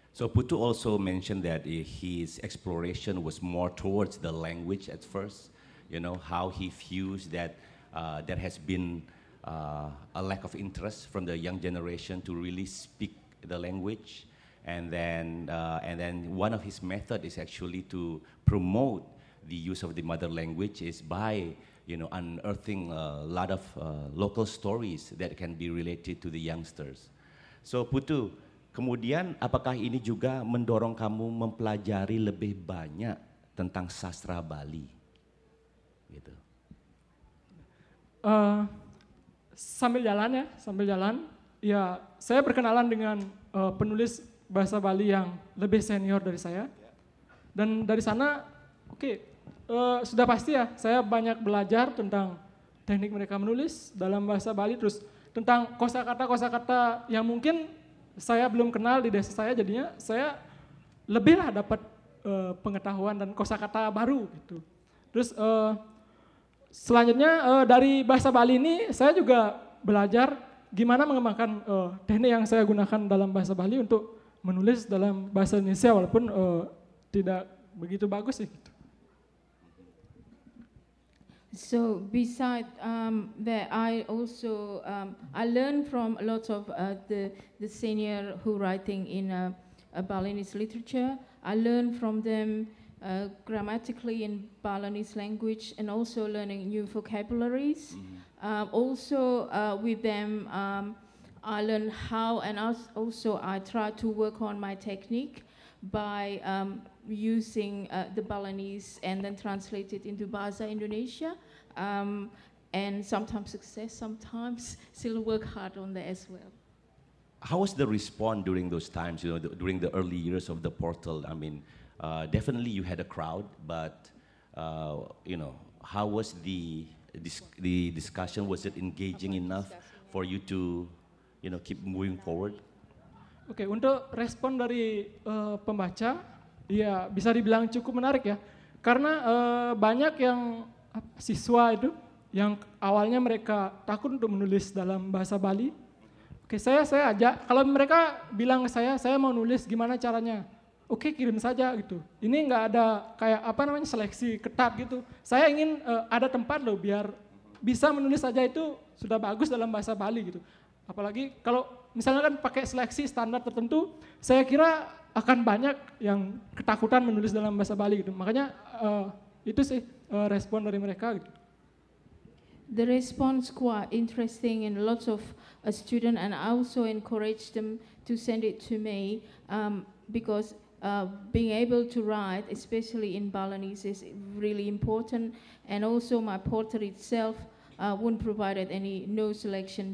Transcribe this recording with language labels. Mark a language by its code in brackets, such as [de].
[en] So Putu also mentioned that his exploration was more towards the language at first, you know, how he views that there has been a lack of interest from the young generation to really speak the language. And then one of his methods is actually to promote the use of the mother language is by, you know, unearthing a lot of local stories that can be related to the youngsters. [id] So Putu, kemudian apakah ini juga mendorong kamu mempelajari lebih banyak tentang sastra Bali? Gitu. Sambil jalan, ya saya berkenalan dengan penulis bahasa Bali yang lebih senior dari saya. Dan dari sana, oke, sudah pasti ya, saya banyak belajar tentang teknik mereka menulis dalam bahasa Bali, terus tentang kosakata-kosakata yang mungkin saya belum kenal di desa saya, jadinya saya lebih lah dapat pengetahuan dan kosakata baru gitu. Terus selanjutnya dari bahasa Bali ini saya juga belajar gimana mengembangkan teknik yang saya gunakan dalam bahasa Bali untuk menulis dalam bahasa Indonesia walaupun tidak begitu bagus sih. Gitu. [en] So besides that, I also I learn from a lot of the senior who writing in a Balinese literature. I learn from them grammatically in Balinese language and also learning new vocabularies. Mm-hmm. Also with them, I learn how and also I try to work on my technique by using the Balinese and then translate it into Bahasa Indonesia. And sometimes success, sometimes still work hard on that as well. How was the response during those times, you know, during the early years of the portal? I mean, definitely you had a crowd, but, you know, how was the discussion? Was it engaging enough for you to, you know, keep moving forward? [id] Okay, untuk respon dari pembaca, ya bisa dibilang cukup menarik ya. Karena banyak yang siswa itu yang awalnya mereka takut untuk menulis dalam bahasa Bali. Oke, saya ajak. Kalau mereka bilang ke saya mau nulis, gimana caranya? Oke, kirim saja gitu. Ini enggak ada kayak apa namanya seleksi ketat gitu. Saya ingin ada tempat loh biar bisa menulis saja itu sudah bagus dalam bahasa Bali gitu. Apalagi kalau misalnya kan pakai seleksi standar tertentu, saya kira akan banyak yang ketakutan menulis dalam bahasa Bali gitu. Makanya itu sih respon dari mereka gitu. [en] The response quite interesting and lots of student, and I also encourage them to send it to me because being able to write, especially in Balinese, is really important. And also my portal itself won't provide any no selection.